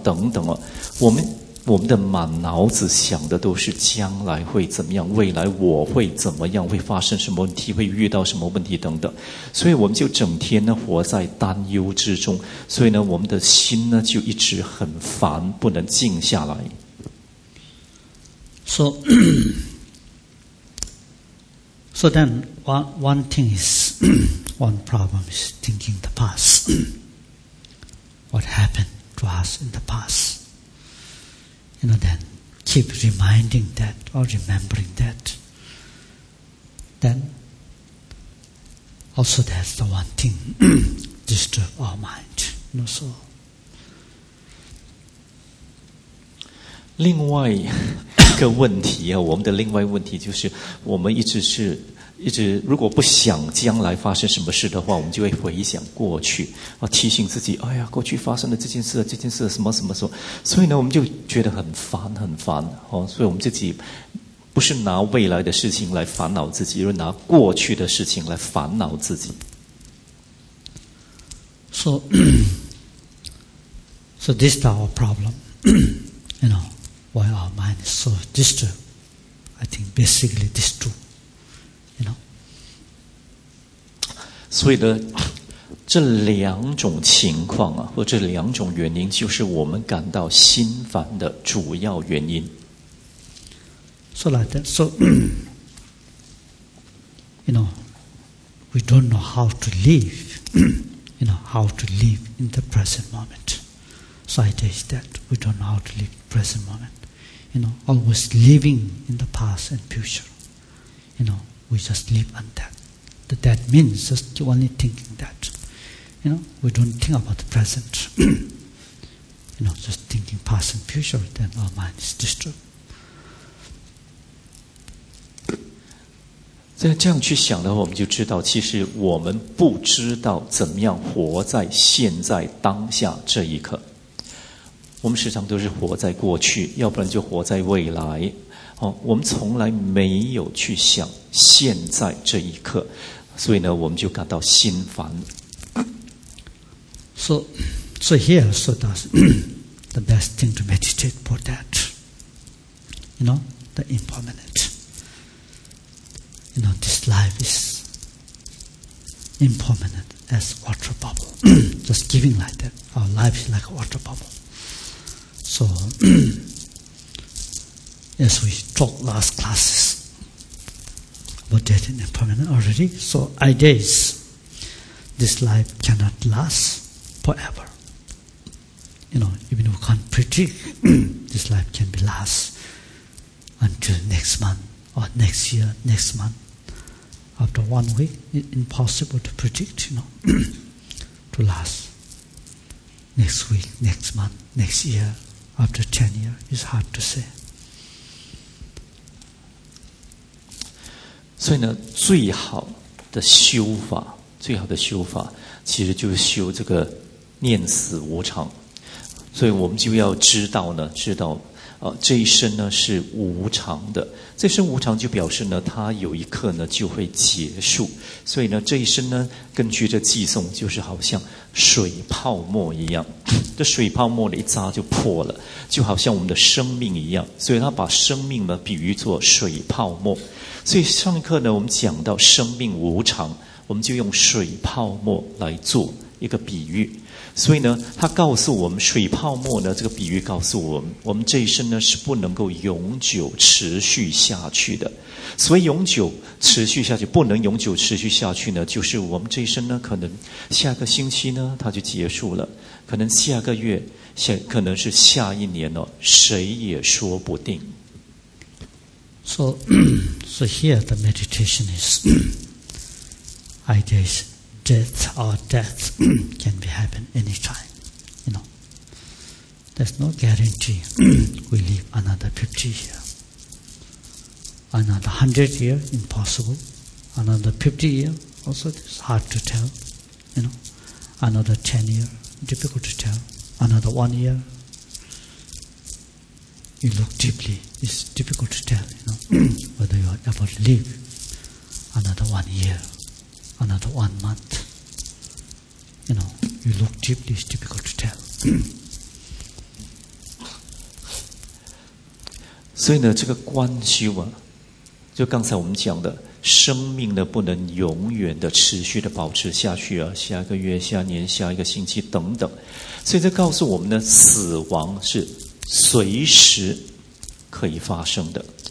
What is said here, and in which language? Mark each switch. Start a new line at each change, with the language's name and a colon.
Chinese: 等等啊，我们的满脑子想的都是将来会怎么样，未来我会怎么样，会发生什么问题，会遇到什么问题等等，所以我们就整天呢活在担忧之中，所以呢我们的心呢就一直很烦，不能静下来。
English: So then one thing is one problem is thinking the past what happened to us in the pastYou know, then keep reminding that or remembering that. Then, also that's the one thing disturb our mind. You know, so.
Chinese: 另外一个问题啊，我们的另外问题就是，我们一直如果不想将来发生什么事的话，我们就会回想过去，啊，提醒自己，哎呀，过去发生的这件事什么什么什么，所以呢，我们就觉得很烦，哦，所以我们自己不是拿未来的事情来烦恼自己，而是拿过去的事情来烦恼自己。
English: So this is our problem, you know, why our mind is so disturbed. I think basically this too.
Chinese: 所以呢，这两种情况啊，或者这两种原因，就是我们感到心烦的主要原因。
English: So like that, so you know, we don't know how to live, you know, how to live in the present moment. So it is that we don't know how to live present moment. You know, always living in the past and future. You know, we just live on that. That means just only thinking that, you know, we don't think about the present. you know, just thinking past and future, then our mind is disturbed.
Chinese: 这样去想的话，我们就知道，其实我们不知道怎么样活在现在当下这一刻。我们时常都是活在过去，要不然就活在未来。哦，我们从来没有去想现在这一刻。所以呢，我们就感到心烦。
English: So here, so that's the best thing to meditate for that. You know, the impermanent. You know, this life is impermanent as water bubble. Just giving like that, our life is like a water bubble. So, as we talked last classes about death and impermanence already, so idea is this life cannot last forever. You know, even we can't predict this life can be last until next month or next year, next month. After 1 week, impossible to predict, you know, to last next week, next month, next year. After 10 years, it's hard to say.
Chinese: 所以呢，最好的修法，最好的修法，其实就是修这个念死无常。所以我们就要知道呢，知道，这一生呢是无常的。这生无常就表示呢，它有一刻呢就会结束。所以呢，这一生呢，根据这偈颂，就是好像水泡沫一样。这水泡沫的一扎就破了，就好像我们的生命一样。所以他把生命呢比喻作水泡沫。所以上一课呢，我们讲到生命无常，我们就用水泡沫来做一个比喻。所以呢，他告诉我们水泡沫呢，这个比喻告诉我们，我们这一生呢是不能够永久持续下去的。所以永久持续下去，不能永久持续下去呢，就是我们这一生呢，可能下个星期呢，它就结束了。可能下个月，可能是下一年了，谁也说不定。
English: So here the meditation is, idea is death or death can be happen anytime. You know, there's no guarantee we live another 50 years, another 100 years impossible, another 50 years also it's hard to tell. You know, another 10 years. Difficult to tell. Another 1 year, you look deeply, it's difficult to tell, you know, whether you are able to live another 1 year, another 1 month. You know, you look deeply, it's difficult to tell.
Chinese: 所以呢，这个观修啊，就刚才我们讲的。生命呢不能永远的持续的保持下去啊，下一个月、下年、下一个星期等等，所以这告诉我们呢，死亡是随时可以发生的。